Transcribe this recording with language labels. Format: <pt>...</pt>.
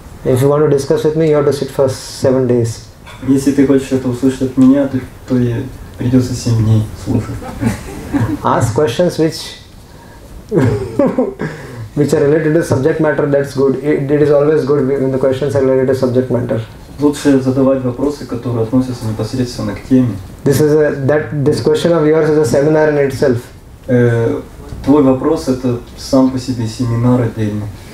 <en>If you want to discuss with me, you have to sit for 7 days.</en> <ru>Если ты хочешь это услышать от меня, то придется 7 дней слушать.</ru> <en>Ask questions which are related to subject matter, that's good. It is always good when the questions are related to subject matter.</en> <ru>Лучше задавать вопросы, которые относятся непосредственно к теме.</ru> <en>This question of yours is a seminar in itself.</en> <ru>Твой вопрос – это сам по себе семинар отдельный.</ru>